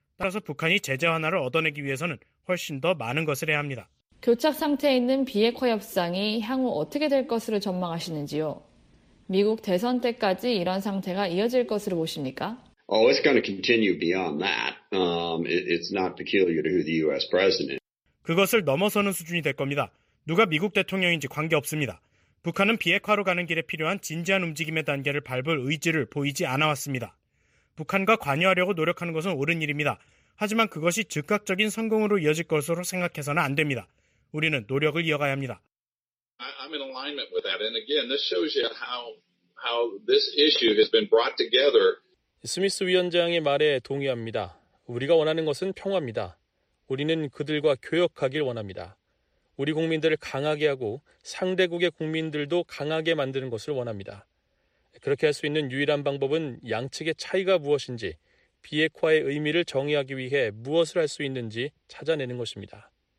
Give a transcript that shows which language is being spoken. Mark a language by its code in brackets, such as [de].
[ko] 따라서 북한이 제재 완화를 얻어내기 위해서는 훨씬 더 많은 것을 해야 합니다. 교착 상태에 있는 비핵화 협상이 향후 어떻게 될 것으로 전망하시는지요? 미국 대선 때까지 이런 상태가 이어질 것으로 보십니까? [en] Oh, it's going to continue beyond that. It's not peculiar to who the U.S. president. [ko] 그것을 넘어서는 수준이 될 겁니다. 누가 미국 대통령인지 관계없습니다. 북한은 비핵화로 가는 길에 필요한 진지한 움직임의 단계를 밟을 의지를 보이지 않아왔습니다. 북한과 관여하려고 노력하는 것은 옳은 일입니다. 하지만 그것이 즉각적인 성공으로 이어질 것으로 생각해서는 안 됩니다. 우리는 노력을 이어가야 합니다. [en] I'm in alignment with that. And again, this shows you how this issue has been brought together. [ko] 스미스 위원장의 말에 동의합니다. 우리가 원하는 것은 평화입니다. 우리는 그들과 교역하길 원합니다. 우리 국민들을 강하게 하고 상대국의 국민들도 강하게 만드는 것을 원합니다. 그렇게 할 수 있는 유일한 방법은 양측의 차이가 무엇인지, 비핵화의 의미를 정의하기 위해 무엇을 할 수 있는지 찾아내는 것입니다.